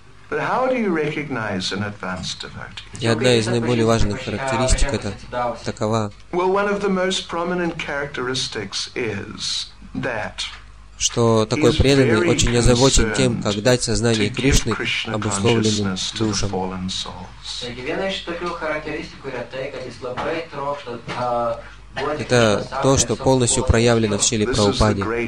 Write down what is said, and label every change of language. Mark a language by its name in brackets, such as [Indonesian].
[English] But how do you recognize an advanced devotee? [Russian] И одна из наиболее важных характеристик это такова. [English] Well, one of the most prominent characteristics is that. [Russian] Что такой преданный очень озабочен тем, как дать сознание Кришны обусловленным душам. Это то, что полностью проявлено в Шриле Прабхупаде.